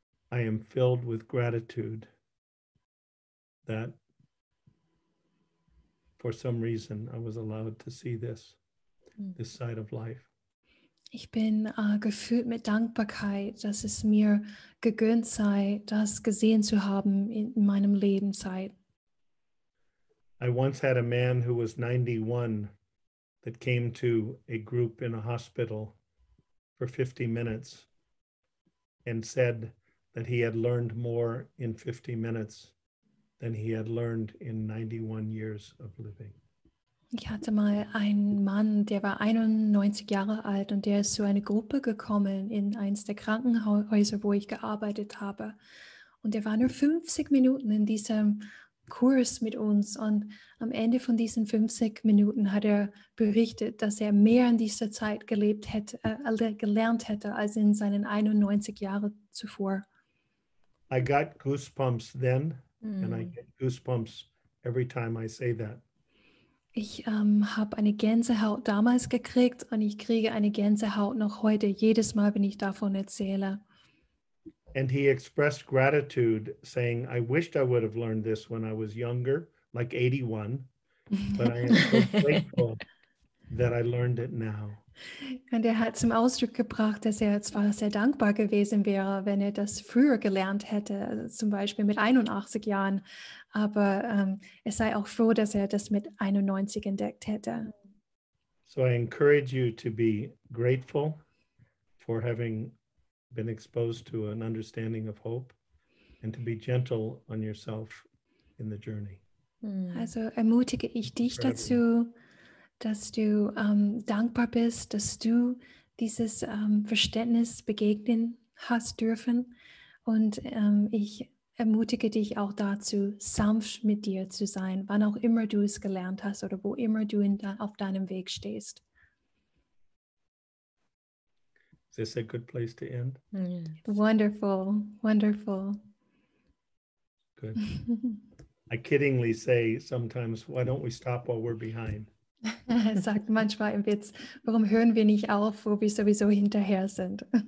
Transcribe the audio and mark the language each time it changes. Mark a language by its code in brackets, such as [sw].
[en] I am filled with gratitude that for some reason I was allowed to see this side of life. [de] Ich bin gefüllt mit Dankbarkeit, dass es mir gegönnt sei, das gesehen zu haben in meinem Leben seit. [en] I once had a man who was 91 that came to a group in a hospital for 50 minutes and said that he had learned more in 50 minutes than he had learned in 91 years of living. [de] Ich hatte mal einen Mann, der war 91 Jahre alt und der ist zu einer Gruppe gekommen in eins der Krankenhäuser, wo ich gearbeitet habe. Und er war nur 50 Minuten in diesem Kurs mit uns und am Ende von diesen 50 Minuten hat er berichtet, dass er mehr in dieser Zeit gelernt hätte als in seinen 91 Jahren zuvor. [en] I got goosebumps then and I get goosebumps every time I say that. [de] Ich habe eine Gänsehaut damals gekriegt und ich kriege eine Gänsehaut noch heute, jedes Mal, wenn ich davon erzähle. [en] And he expressed gratitude, saying, I wished I would have learned this when I was younger, like 81, but I am so grateful that I learned it now. [de] Und er hat zum Ausdruck gebracht, dass er zwar sehr dankbar gewesen wäre, wenn er das früher gelernt hätte, zum Beispiel mit 81 Jahren, aber er sei auch froh, dass er das mit 91 entdeckt hätte. [en] So I encourage you to be grateful for having been exposed to an understanding of hope and to be gentle on yourself in the journey. [de] Also ermutige ich dich dazu, dass du dankbar bist, dass du dieses Verständnis begegnen hast dürfen. Und ich ermutige dich auch dazu, sanft mit dir zu sein, wann auch immer du es gelernt hast oder wo immer du auf deinem Weg stehst. [en] Is this a good place to end? Yes. Wonderful, wonderful. Good. I kiddingly say sometimes, why don't we stop while we're behind? [de] Er sagt manchmal im Witz, warum hören wir nicht auf, wo wir sowieso hinterher sind?